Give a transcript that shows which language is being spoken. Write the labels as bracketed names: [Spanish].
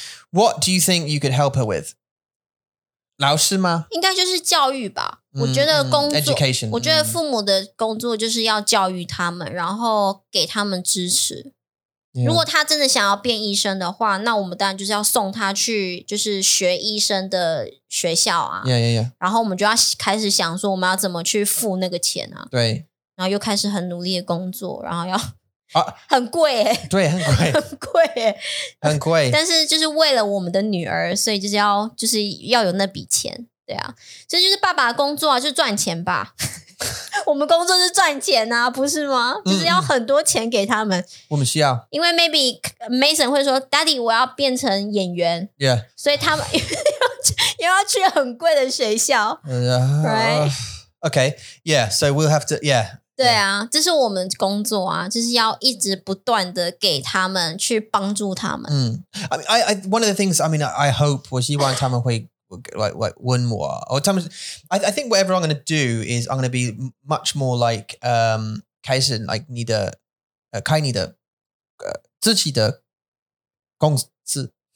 [English] What do you think you could help her with? [Chinese] 老师吗? 应该就是教育吧, 我觉得工作, [English] education. [Chinese] 我觉得父母的工作就是要教育他们, 然后给他们支持。 [English] Yeah. [Chinese] 如果他真的想要变医生的话, 那我们当然就是要送他去, 就是学医生的学校啊。 [English] Yeah, yeah, yeah. [Chinese] 然后我们就要开始想说, 我们要怎么去付那个钱啊。对。然后又开始很努力的工作, 然后要很贵耶。对, 很贵。很贵耶。很贵。但是就是为了我们的女儿, 所以就是要有那笔钱, 对啊。所以就是爸爸的工作啊, 就是赚钱吧。我们工作是赚钱啊, 不是吗? 就是要很多钱给他们。我们需要。因为maybe Mason会说, [English] Daddy, [Chinese] 我要变成演员。 [English] Yeah. [Chinese] 所以他们, 又要去很贵的学校。 [English] Yeah. Right? Okay, yeah, so we'll have to, yeah. [Chinese] 对啊, 这是我们工作啊, 就是要一直不断地给他们去帮助他们。 Mm. [English] I mean, I one of the things, I mean, I hope, [Chinese] 我希望他们会, [English] like, [Chinese] 问我, [English] or [Chinese] 他们, [English] I think whatever I'm going to do is I'm going to be much more like, [Chinese] 开始, [English] like, [Chinese] 你的, 开你的, 自己的公司。